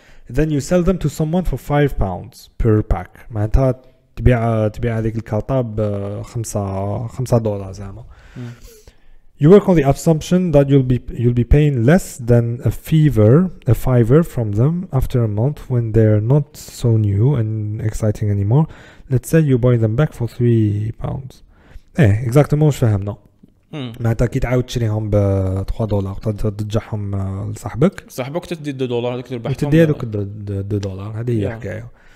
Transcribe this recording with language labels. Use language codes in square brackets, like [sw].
[en] Then you sell them to someone for £5 per pack. [ar] معناتها تبيع هذيك الكارطة ب 5 دولار زعما. You work on the assumption that you'll be paying less than a fiver from them after a month when they're not so new and exciting anymore. [en] Let's say you buy them back for £3. Eh, [fr] exactement, je fahamna. [ar] معناتها كي تعاود تشريهم ب 3 دولار ترجعهم لصاحبك. صاحبك تدي 2 دولار هذيك تربحهم. تدي هذوك 2 دولار هذه هي الحكاية.